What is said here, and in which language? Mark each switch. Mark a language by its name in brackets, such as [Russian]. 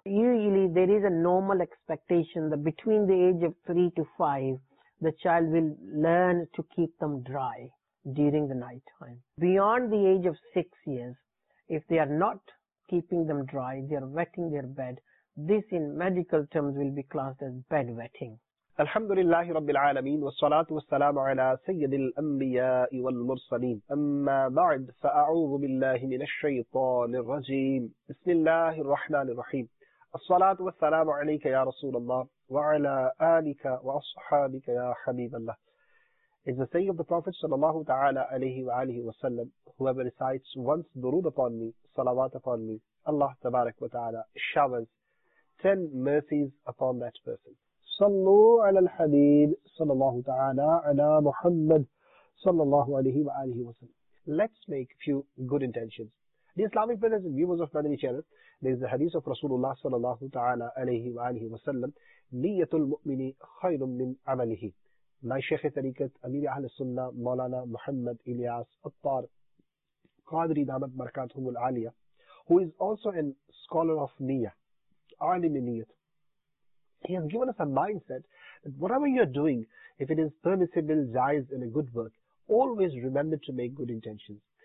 [English] Usually there is a normal expectation that between the age of 3 to 5, the child will learn to keep them dry during the night time. Beyond the age of 6 years, if they are not keeping them dry, they are wetting their bed, this in medical terms will be classed as bed wetting. [Arabic] الحمد لله رب العالمين والصلاة والسلام على سيد الأنبياء والمرسلين أما بعد فأعوذ بالله من الشيطان الرجيم بسم الله الرحمن الرحيم الصلاة والسلام عليك يا رسول الله وعلى آلك وأصحابك يا حبيب الله [English] It's the saying of the Prophet صلى الله تعالى عليه وآله وسلم Whoever recites once durood upon me, salawat upon me, Allah تبارك وتعالى showers 10 mercies upon that person. [Arabic] صلوا على الحبيب صلى الله تعالى على محمد صلى الله عليه وآله وسلم [English] Let's make a few good intentions. The Islamic brothers and viewers of Madani channel, there is the hadith of Rasulullah [Arabic] صلى الله تعالى عليه وآله وسلم نية المؤمن خير من عمله [English] My Shaykh Tariqat Amir Ahl Sunnah Maulana Muhammad Ilyas Attar Qadri Damat Markatum Al-Aliya who is also a scholar of Niyya Alim Niyyat He has given us a mindset that whatever you are doing, if it is permissible, jais, and a good work, always remember to make good intentions.